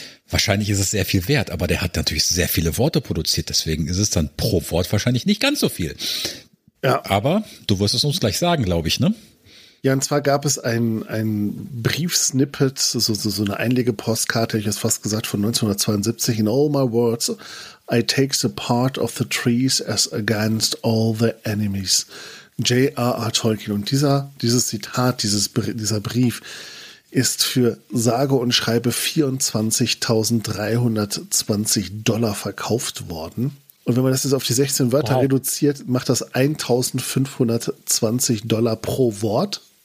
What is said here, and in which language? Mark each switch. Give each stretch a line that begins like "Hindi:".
German: Wahrscheinlich ist es sehr viel wert, aber der hat natürlich sehr viele Worte produziert. Deswegen ist es dann pro Wort wahrscheinlich nicht ganz so viel. Ja. Aber du wirst es uns gleich sagen, glaube ich, ne? Ja, und zwar gab es ein Briefsnippet, so eine Einlegepostkarte, ich hätte fast gesagt, von 1972.
English: In all my words, I take the part of the trees as against all the enemies. J.R.R. Tolkien.
German: Und dieses Zitat, dieser Brief ist für sage und schreibe $24.320 verkauft worden. Und wenn man das jetzt auf die 16 Wörter wow. reduziert, macht das $1.520 pro Wort.